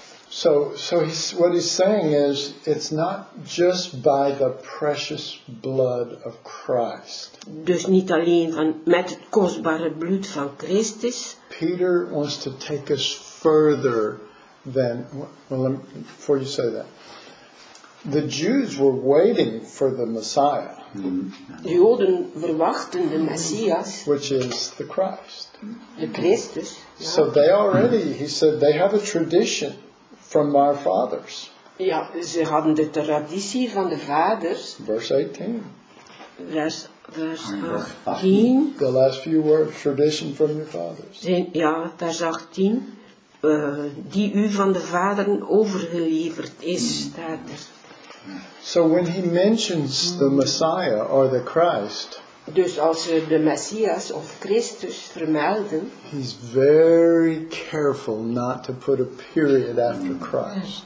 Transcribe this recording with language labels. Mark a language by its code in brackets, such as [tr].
[en] So what he's saying is, it's not just by the precious blood of Christ. [nl] Dus niet alleen met het kostbare bloed van Christus. [en] Peter wants to take us further than, before you say that. The Jews were waiting for the Messiah. [nl] De Joden verwachten de Messias. [en] Which is the Christ. [nl] De Christus. Ja. [en] So they already, he said, they have a tradition. From our fathers. [nl] Ja, ze hadden de traditie van de vaders. [en] Verse 18. [nl] Vers 18. [en] The last few words, tradition from your fathers. [nl] Vers 18. Die u van de vaderen overgeleverd is, staat er. [en] So when he mentions the Messiah or the Christ. [nl] Dus als ze de Messias of Christus vermelden. [en] He's very careful not to put a period after Christ.